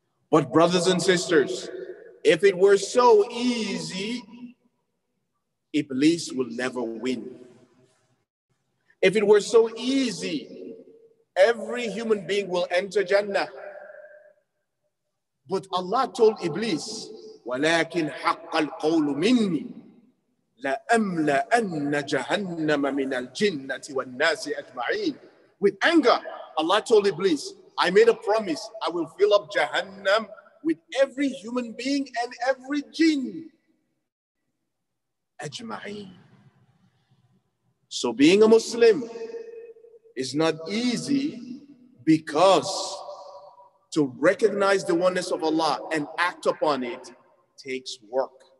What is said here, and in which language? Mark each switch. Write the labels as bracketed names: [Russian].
[English] But brothers and sisters, if it were so easy, Iblis will never win. If it were so easy, every human being will enter Jannah. But Allah told Iblis, [Arabic] وَلَكِنْ حَقَّ الْقَوْلُ مِنِّي لَأَمْلَأَنَّ جَهَنَّمَ مِنَ الْجِنَّةِ وَالنَّاسِ أَجْمَعِينَ. [English] With anger, Allah told Iblis, I made a promise, I will fill up Jahannam with every human being and every jinn. [Arabic] أجمعين. [English] So being a Muslim is not easy, because to recognize the oneness of Allah and act upon it takes work.